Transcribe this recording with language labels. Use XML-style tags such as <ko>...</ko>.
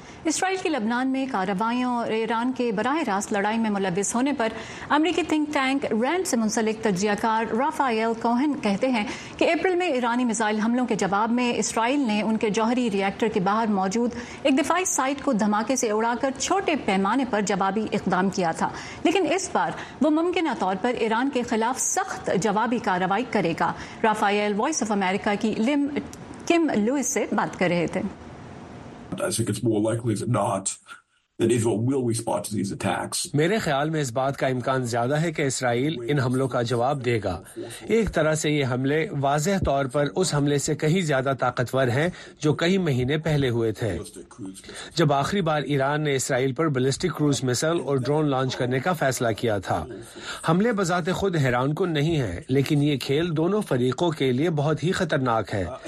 <ur>اسرائیل کی لبنان میں کارروائیوں اور ایران کے براہ راست لڑائی میں ملوث ہونے پر امریکی تھنک ٹینک رینڈ سے منسلک تجزیہ کار رافائیل کوہن کہتے ہیں کہ اپریل میں ایرانی میزائل حملوں کے جواب میں اسرائیل نے ان کے جوہری ری ایکٹر کے باہر موجود ایک دفاعی سائٹ کو دھماکے سے اڑا کر چھوٹے پیمانے پر جوابی اقدام کیا تھا، لیکن اس بار وہ ممکنہ طور پر ایران کے خلاف سخت جوابی کارروائی کرے گا۔ رافائیل وائس آف امریکہ کی لم کم لوئس سے بات کر رہے تھے۔</ur> <en>I think it's more likely than not that Israel will respond to these attacks.</en> <ur>میرے خیال میں اس بات کا امکان زیادہ ہے کہ اسرائیل ان حملوں کا جواب دے گا۔ ایک طرح سے یہ حملے واضح طور پر اس حملے سے کہیں زیادہ طاقتور ہیں جو کئی مہینے پہلے ہوئے تھے، جب آخری بار ایران نے اسرائیل پر بلسٹک کروز مسل اور ڈرون لانچ کرنے کا فیصلہ کیا تھا۔ حملے بذات خود حیران کن نہیں ہیں، لیکن یہ کھیل دونوں فریقوں کے لیے بہت ہی خطرناک ہے۔</ur>